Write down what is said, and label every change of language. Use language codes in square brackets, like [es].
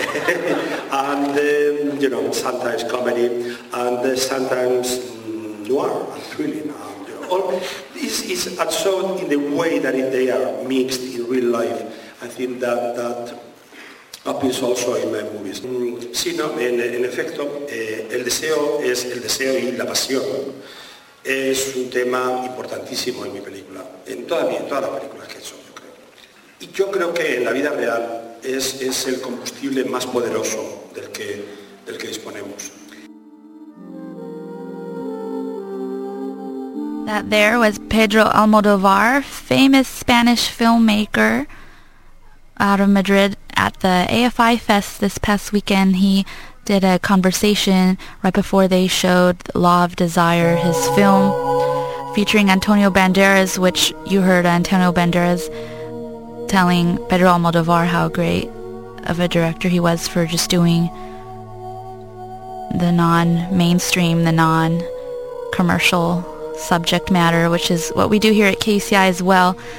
[en] and you know, sometimes comedy, and sometimes noir and thrilling. And, all this is absurd in the way that if they are mixed in real life, I think that that appears also in my movies. [es] Sí, no, en efecto, el deseo es el deseo y la pasión. Es un tema importantísimo en mi película, en todas las películas que he hecho, yo creo. Y yo creo que en la vida real es el combustible más poderoso del que disponemos. [en] That there was Pedro Almodóvar, famous Spanish filmmaker out of Madrid. At the AFI Fest this past weekend, he did a conversation right before they showed Law of Desire, his film, featuring Antonio Banderas, which you heard Antonio Banderas telling Pedro Almodóvar how great of a director he was for just doing the non-mainstream, the non-commercial subject matter, which is what we do here at KUCI as well.